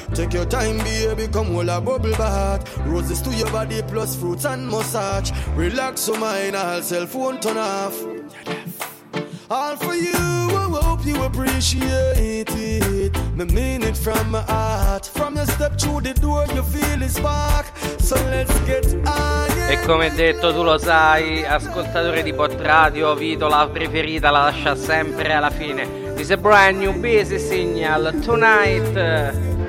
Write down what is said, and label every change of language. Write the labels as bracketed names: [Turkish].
[English] Take your time, baby, come hold a bubble bath. Roses to your body plus fruits and massage. Relax your mind, I'll cell phone turn off. All for you, I hope you appreciate it. Me mean it from my heart. From your step through the door, you feel the spark. So let's get on. [Italian] E come detto, tu lo sai, ascoltatore di Pot Radio, Vito, la preferita, la lascia sempre alla fine. [English] This is a brand new busy signal, tonight.